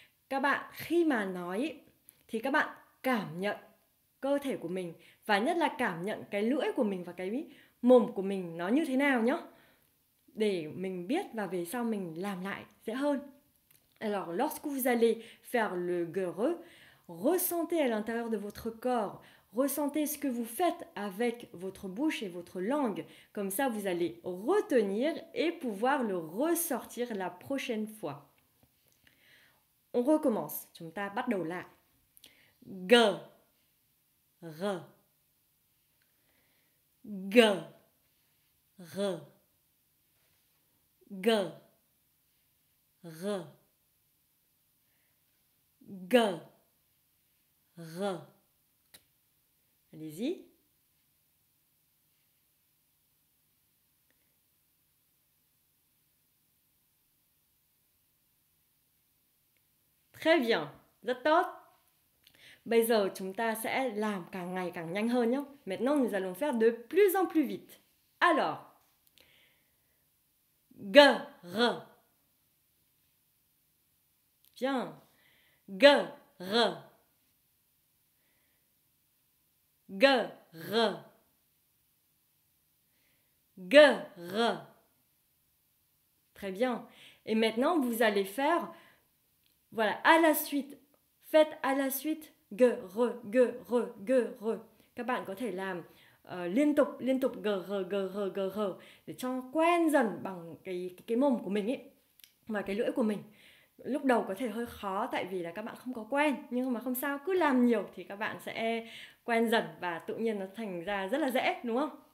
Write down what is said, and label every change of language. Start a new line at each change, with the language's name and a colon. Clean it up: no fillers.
Vietnamese: các bạn khi mà nói thì các bạn cảm nhận cơ thể của mình và nhất là cảm nhận cái lưỡi của mình và cái mồm của mình nó như thế nào nhá, để mình biết và về sau mình làm lại dễ hơn.
French: Alors lorsque vous allez faire le gueureux, ressentez à l'intérieur de votre corps, ressentez ce que vous faites avec votre bouche et votre langue, comme ça vous allez retenir et pouvoir le ressortir la prochaine fois. On recommence.
Vietnamese: Chúng ta bắt đầu lại. G R G R G R G R.
French: Allez-y. Très bien,
Vietnamese: rất tốt. Bây giờ chúng ta sẽ làm càng ngày càng nhanh hơn nhé.
French: Maintenant, nous allons faire de plus en plus vite. Alors, G, R. Bien. G, R. G, R. G, R. Très bien. Et maintenant, vous allez faire, voilà, à la suite. Faites à la suite. G, R, G, R, G, R.
Vietnamese: Các bạn có thể làm liên tục G, R, G, R, G, R để cho quen dần bằng cái mồm của mình ấy và cái lưỡi của mình. Lúc đầu có thể hơi khó tại vì là các bạn không có quen, nhưng mà không sao, cứ làm nhiều thì các bạn sẽ quen dần và tự nhiên nó thành ra rất là dễ, đúng không?